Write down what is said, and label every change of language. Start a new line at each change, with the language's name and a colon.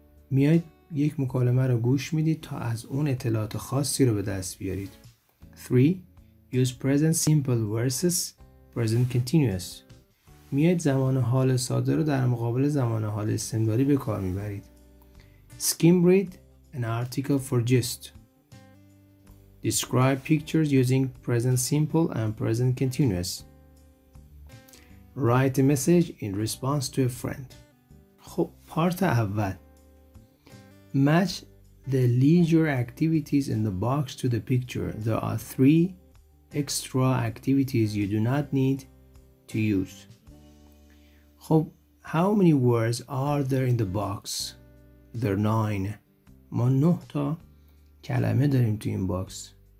Persian: میاید یک مکالمه رو گوش میدید تا از اون اطلاعات خاصی رو به دست بیارید.
English: 3. Use present simple versus present continuous.
Persian: میاید زمان حال ساده رو در مقابل زمان حال استمراری به کار میبرید.
English: Skim read an article for gist. Describe pictures using present simple and present continuous. Write a message in response to a friend.
Persian: خب پارت اول.
English: Match the leisure activities in the box to the picture. There are 3 extra activities you do not need to use.
Persian: خب
English: how many words are there in the box? There are 9.
Persian: ما 9 تا کلمه داریم تو این باکس.